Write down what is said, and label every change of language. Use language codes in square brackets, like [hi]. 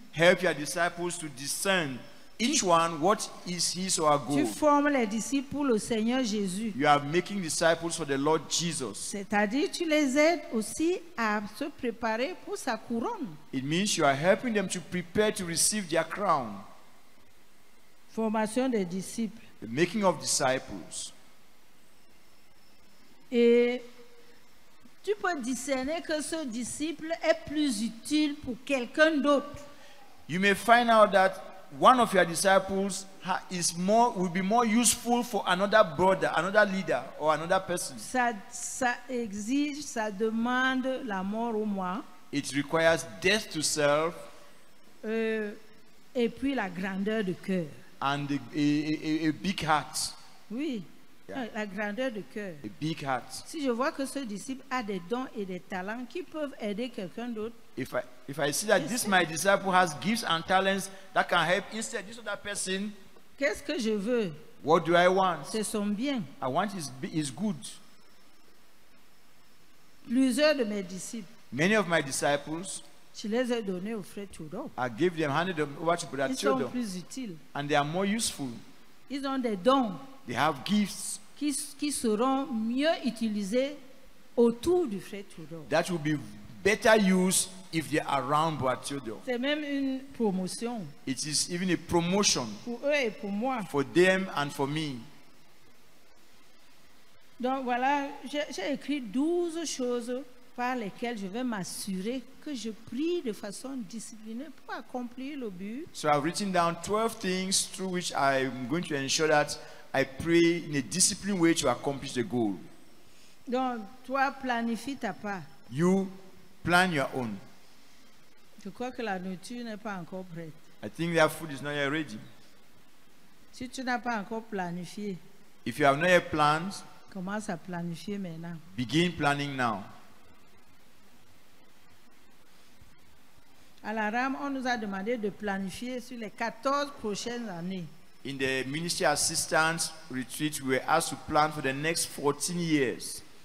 [en] Help your disciples to discern each one what is his or her goal. [fr] Tu formes les disciples pour le Seigneur Jésus. [en] You are making disciples for the Lord Jesus. [fr] C'est-à-dire tu les aides aussi à se préparer pour sa couronne. [en] It means you are helping them to prepare to receive their crown. [fr] Formation des disciples. [en] The making of disciples. [fr] Et tu peux discerner que ce disciple est plus utile pour quelqu'un d'autre. [en] You may find out that one of your disciples will be more useful for another brother, another leader, or another person. [fr] Ça exige, ça demande la mort au moi. [en] It requires death to self. [fr] Et puis la grandeur de cœur. [en] And a big heart. [fr] Oui. Yeah. La grandeur de cœur. [en] A big heart. [fr] Si je vois que ce disciple a des dons et des talents qui peuvent aider quelqu'un d'autre. [en] If I see that this my disciple has gifts and talents that can help instead this other person. [fr] Qu'est-ce que je veux? [en] What do I want? [fr] C'est son bien. [en] I want his good. [fr] Plusieurs de mes disciples. [en] Many of my disciples. [fr] Je les ai donné au frère Tchoudo. [en] I gave them, handed them over to Brother [fr] Tchoudo. Ils sont plus utiles. [en] And they are more useful. [fr] Ils ont des dons. [en] They have gifts [fr] qui seront mieux utilisés autour du frère Tchoudo. [en] That will be better use if they are around Brother Tchoudo. [fr] C'est même une promotion. [en] It is even a promotion [fr] pour eux et pour moi. [en] For them and for me. [fr] Donc voilà, j'ai écrit 12 choses par lesquelles je vais m'assurer que je prie de façon disciplinée pour accomplir le but. [en] So I've written down 12 things through which I'm going to ensure that I pray in a disciplined way to accomplish the goal. [fr] Donc, toi, planifie ta part. [en] You plan your own. [fr] Je crois que la nourriture n'est pas encore prête. [en] I think their food is not yet ready. [fr] Si tu n'as pas encore planifié. [en] If you have not yet planned. [fr] Commence à planifier maintenant. [en] Begin planning now. [fr] À la RAM, on nous a demandé de planifier sur les 14 prochaines années. [en] In the ministry assistant retreat, we were asked to plan for the next 14 years.